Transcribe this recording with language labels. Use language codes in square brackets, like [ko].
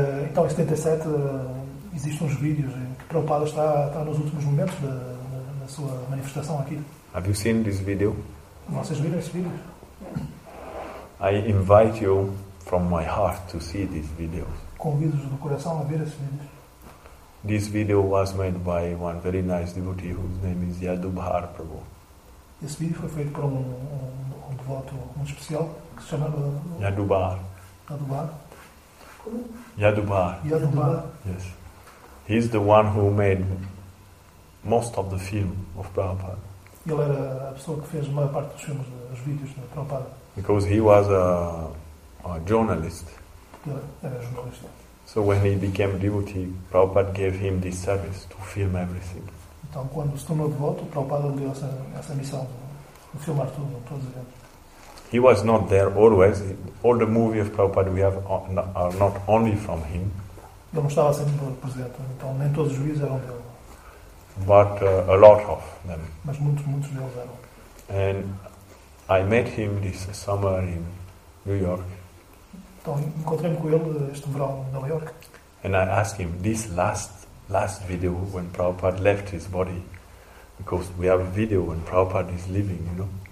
[pt] Então, em 77, existem uns vídeos em que Prabhupada está nos últimos momentos da sua manifestação aqui. [en] Have you seen this video? [pt] Vocês viram esse vídeo? [en] I invite you from my heart to see this video. [pt] Convido-os do coração a ver esse vídeo. [en] This video was made by one very nice devotee whose name is Yadubhar Prabhu. [pt] Esse vídeo foi feito por um devoto muito especial que se chamava Yadubhar. Yadubhar. [en] Yes. He is the one who made most of the film of Prabhupada. [pt] Ele era a pessoa que fez a maior parte dos filmes, dos vídeos de Prabhupada. [en] Because he was a journalist. [pt] Ele era jornalista. [en] So when he became devotee, Prabhupada gave him this service to film everything. [pt] Então quando se tornou devoto, Prabhupada deu essa missão de filmar tudo, todos os eventos. [en] He was not there always. All the movies of Prabhupada we have are not only from him. [pt] Ele não estava sempre presente, então nem todos os juízes eram dele. [en] But a lot of them. [pt] Mas muitos deles eram. [en] And I met him this summer in New York. [pt] Então encontrei-me com ele este verão em Nova York. [en] And I asked him this last video when Prabhupada left his body, because we have a video when Prabhupada is leaving, you know.